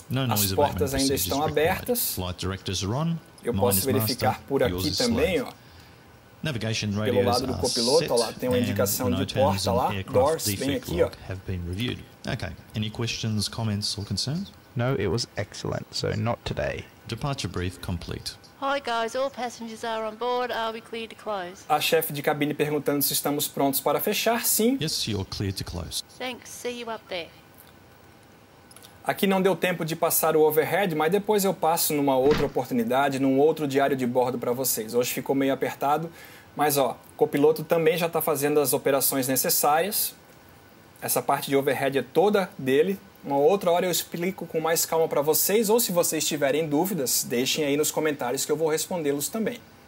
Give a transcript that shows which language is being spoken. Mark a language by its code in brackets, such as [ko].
[pt] As portas ainda estão abertas. Eu posso verificar por aqui também, ó. [en] Navigation [pt] radios pelo lado do copiloto, lá tem uma indicação de porta lá, doors bem aqui, ó. [en] Have been reviewed. Okay. Any questions, comments or concerns? No, it was excellent. So not today. Departure brief complete. Hi guys, all passengers are on board. Are we clear to close? [pt] A chefe de cabine perguntando se estamos prontos para fechar. Sim. [en] Yes, you're clear to close. Thanks. See you up there. [pt] Aqui não deu tempo de passar o overhead, mas depois eu passo numa outra oportunidade, num outro diário de bordo para vocês. Hoje ficou meio apertado, mas ó, o copiloto também já está fazendo as operações necessárias. Essa parte de overhead é toda dele. Uma outra hora eu explico com mais calma para vocês, ou se vocês tiverem dúvidas, deixem aí nos comentários que eu vou respondê-los também.